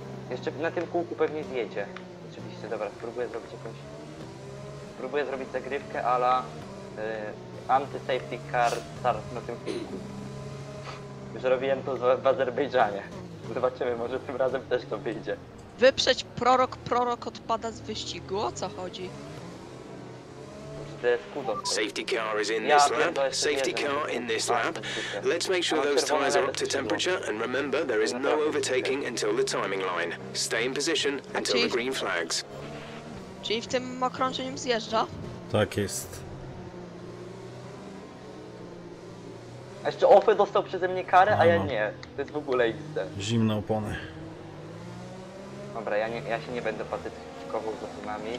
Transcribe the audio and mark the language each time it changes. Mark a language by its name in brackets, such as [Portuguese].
[Polish] Jeszcze na tym kółku pewnie zjedzie. Oczywiście, dobra, spróbuję zrobić zagrywkę a la anti-safety car start na tym kółku. Już robiłem to w Azerbejdżanie. Zobaczymy, może tym razem też to wyjdzie. Wyprzeć prorok odpada z wyścigu, o co chodzi? [English] Safety car is in this lap. Safety car in this lap. Let's make sure those tires are up to temperature and remember there is no overtaking until the timing line. Stay in position until the green flags. [Polish] Czyli w tym okrążeniu zjeżdża? Tak jest. Jeszcze Offe dostał przeze mnie karę, a ja nie. To jest w ogóle idę. Zimne opony. Dobra, ja się nie będę patyczkował z opinami.